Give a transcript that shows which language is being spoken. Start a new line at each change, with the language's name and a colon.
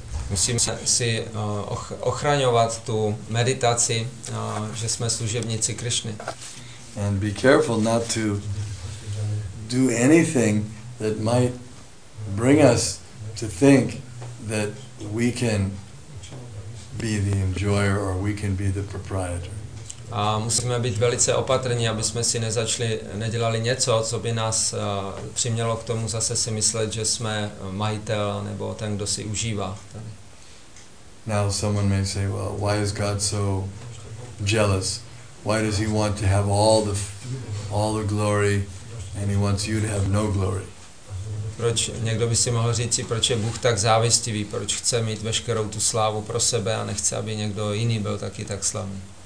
Czech: Musíme si ochraňovat tu meditaci, že jsme služebníci Krišny.
English: And be careful not to do anything that might bring us to think that we can be the enjoyer or we can be the proprietor.
Czech: A musíme být velice opatrní, aby jsme si nedělali něco, co by nás přimělo k tomu zase si myslet, že jsme majitel nebo ten, kdo si užívá.
English: Now someone may say, well, why is God so jealous? Why does he want to have all the glory and he wants you to have no glory?
Czech: Proč někdo by si mohl říct, proč je Bůh tak závistivý, proč chce mít veškerou tu slávu pro sebe a nechce, aby někdo jiný byl taky tak slavný?